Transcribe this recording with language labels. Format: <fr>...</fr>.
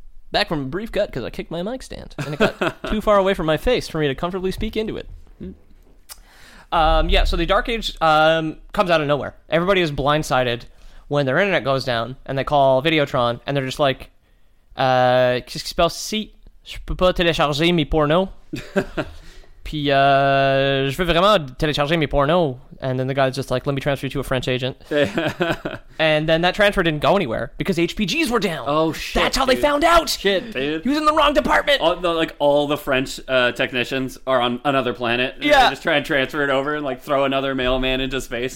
<en>Back from a brief cut because I kicked my mic stand. And it got too far away from my face for me to comfortably speak into it. So the Dark Age comes out of nowhere. Everybody is blindsided when their internet goes down and they call Videotron and they're just like, just spell seat.</en> <fr>Je peux pas télécharger mes pornos. Puis, je veux vraiment télécharger mes pornos.</fr> <en>And then the guy's just like, let me transfer you to a French agent. And then that transfer didn't go anywhere because HPGs were down. Oh, shit. That's how dude. They found out. Shit, dude. He was in the wrong department. All the French technicians are on another planet. And yeah. They just try and transfer it over and like throw another mailman into space.</en>